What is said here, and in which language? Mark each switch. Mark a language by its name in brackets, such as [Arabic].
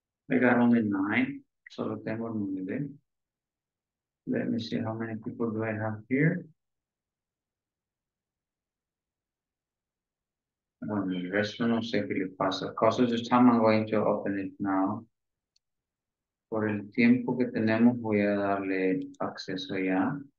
[English] I got only 9, [Spanish] solo tengo 9. [English] Let me see how many people do I have here. [Spanish] Bueno, el resto no sé qué le pasa. Cosas de [English] time, I'm going to open it now. [Spanish] Por el tiempo que tenemos, voy a darle acceso ya.